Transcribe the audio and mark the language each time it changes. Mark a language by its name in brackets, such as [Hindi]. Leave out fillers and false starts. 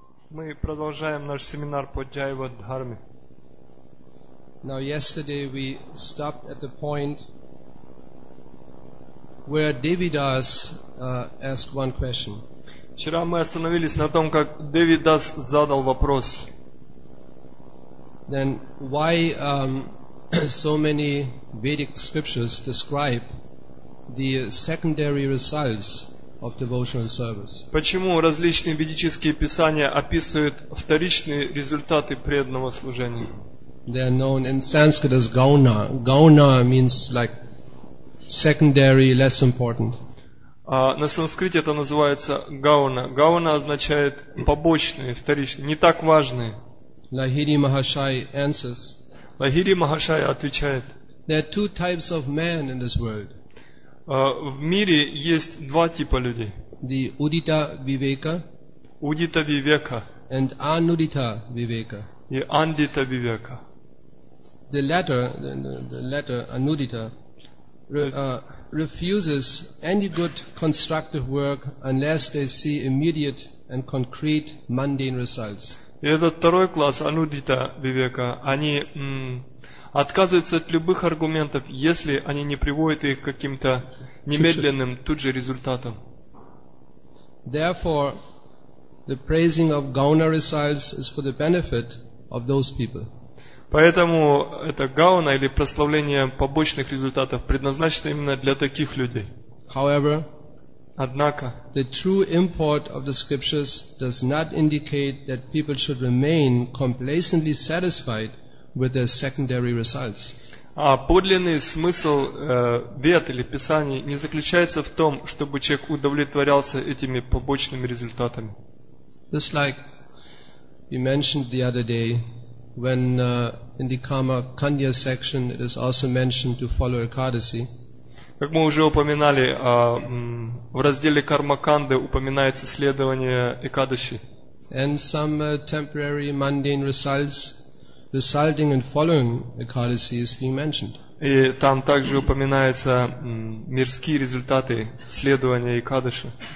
[Russian] Мы продолжаем наш семинар по Джайва Дхарме. [English] Now yesterday we stopped at the point where Devidas asked one question. [Russian] Вчера мы остановились на том, как Девидас задал вопрос. [English] Then why so many Vedic scriptures describe the secondary results? Of devotional service. [Russian] Почему различные ведические писания описывают вторичные результаты преданного служения? [English] They are known in Sanskrit as gauna. Gauna means like secondary, less important. [Russian] На санскрите это называется гауна. Гауна означает побочные, вторичные, не так важные. [English] Лахири Махашай answers. [Russian] Лахири Махашай отвечает. [English] There are two types of man in this world. [Russian] В мире есть два типа людей. [English] The Udita Viveka, [Sanskrit] Udita Viveka, [English] and Anudita Viveka. [Russian] И Andita Viveka. [English] The latter, Anudita, refuses any good constructive work unless they see immediate and concrete mundane results. [Russian] И этот второй класс Anudita Viveka, они отказываются от любых аргументов, если они не приводят их к каким-то немедленным тут же результатам. [English] Therefore, the praising of gauna results is for the benefit of those people. [Russian] Поэтому это гауна или прославление побочных результатов предназначено именно для таких людей. [English] However, [Russian] однако, [English] the true import of the scriptures does not indicate that people should remain complacently satisfied with their secondary results. [Russian] А подлинный смысл вет или писаний не заключается в том, чтобы человек удовлетворялся этими побочными результатами. [English] Just like you mentioned the other day, when in the Kama Kanya section it is also mentioned to follow Ekadasi. [Russian] Как мы уже упоминали, в разделе Карма Канды упоминается следование Экадаси. [English] And some temporary mundane results resulting and following Ekadasi is being mentioned. [Russian] И там также упоминаются мирские результаты следования Экадаси.